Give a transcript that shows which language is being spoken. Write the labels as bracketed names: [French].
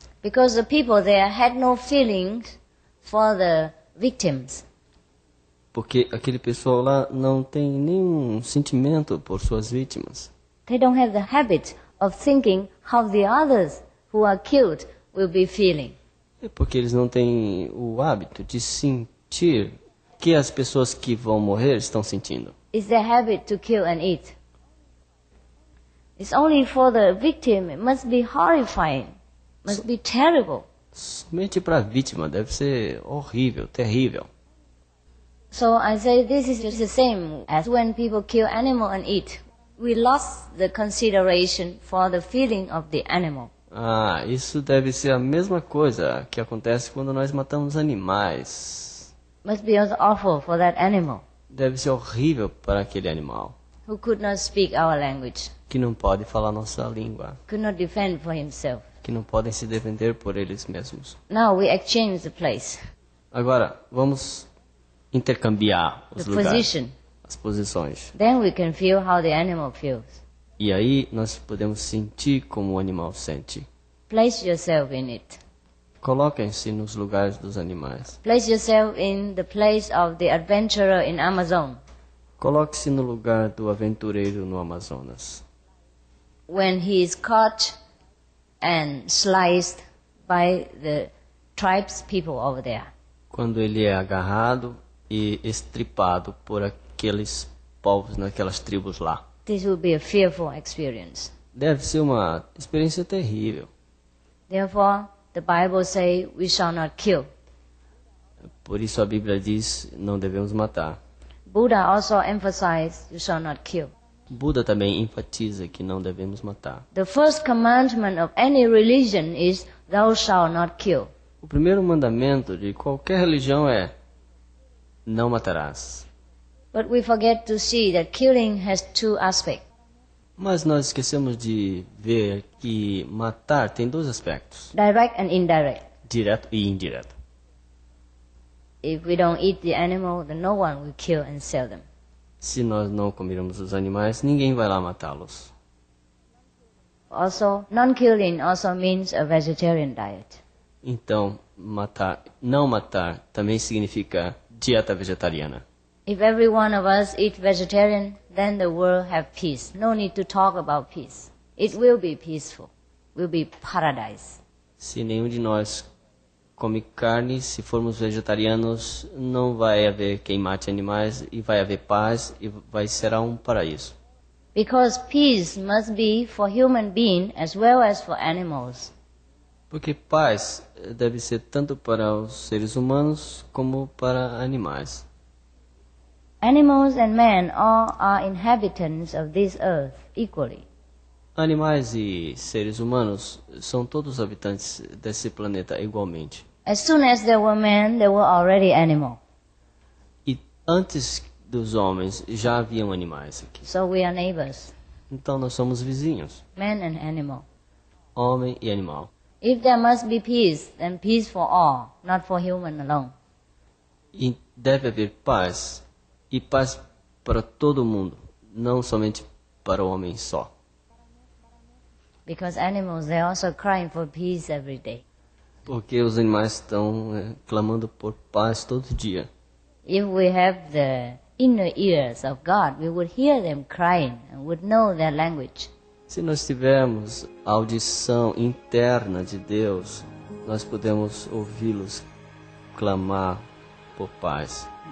[English] Because the people there had no feelings for the victims. [Portuguese] Porque aquele pessoal lá não tem nenhum sentimento por suas vítimas. [English] They don't have the habit of thinking how the others who are killed will be feeling. [Portuguese] É porque eles não têm o hábito de sentir que as pessoas que vão morrer estão sentindo. [English] It's their habit to kill and eat. It's only for the victim. It must be horrifying. Must be terrible. [Portuguese] Somente para a vítima deve ser horrível, terrível. [English] So I say this is just the same as when people kill animal and eat. We lost the consideration for the feeling of the animal. [Portuguese] Ah, isso deve ser a mesma coisa que acontece quando nós matamos animais. [English] Must be awful for that animal. [Portuguese] Deve ser horrível para aquele animal. [English] Who could not speak our language. [Portuguese] Que não pode falar nossa língua. [English] Could not defend for himself. [Portuguese] Que não podem se defender por eles mesmos. [English] Now we exchange the place. [Portuguese] Agora, vamos intercambiar os [English] the [Portuguese] lugares. [English] Position. [Portuguese] As posições. [English] Then we can feel how the animal feels. [Portuguese] E aí nós podemos sentir como o animal sente. [English] Place yourself in it. [Portuguese] Coloquem-se nos lugares dos animais. [English] Place yourself in the place of the adventurer in Amazon. [Portuguese] Coloque-se no lugar do aventureiro no Amazonas. [English] When he is caught and sliced by the tribe's people over there. [Portuguese] Quando ele é agarrado e estripado por aqueles povos naquelas tribos lá. [English] This will be a fearful experience. [Portuguese] Deve ser uma experiência terrível. [English] Therefore, the The Bible says we shall not kill. [Portuguese] Por isso a Bíblia diz não devemos matar. [English] Buddha also emphasized you shall not kill. [Portuguese] Buda também enfatiza que não devemos matar. [English] The first commandment of any religion is thou shall not kill. [Portuguese] O primeiro mandamento de qualquer religião é não matarás. [English] But we forget to see that killing has two aspects. [Portuguese] Mas nós esquecemos de ver que matar tem dois aspectos. [English] Direct and indirect. [Portuguese] Direto e indireto. [English] If we don't eat the animal, then no one will kill and sell them. [Portuguese] Se nós não comermos os animais, ninguém vai lá matá-los. [English] Also, non-killing also means a vegetarian diet. [Portuguese] Então, matar, não matar também significa dieta vegetariana. [English] If every one of us eat vegetarian, then the world have peace. No need to talk about peace. It will be peaceful. Will be paradise. [Portuguese] Se nenhum de nós come carne, se formos vegetarianos, não vai haver quem mate animais e vai haver paz e vai ser um paraíso. [English] Because peace must be for human being as well as for animals. [Portuguese] Porque paz deve ser tanto para os seres humanos como para animais. [English] Animals and men all are inhabitants of this earth equally. [Portuguese] Animais e seres humanos são todos habitantes desse planeta igualmente. [English] As soon as there were men, there were already animal. [Portuguese] E antes dos homens já haviam animais aqui. [English] So we are neighbors. [Portuguese] Então nós somos vizinhos. [English] Man and animal. [Portuguese] Homem e animal. [English] If there must be peace, then peace for all, not for human alone. [Portuguese] E deve haver paz. E paz para todo mundo, não somente para o homem só. [English] Because animals, they also crying for peace every day. [Portuguese] Porque os animais estão clamando por paz todo dia. [English] If we have the inner ears of God, we would hear them crying and would know their language. [Portuguese] Se nós tivermos a audição interna de Deus, nós podemos ouvi-los clamar por paz.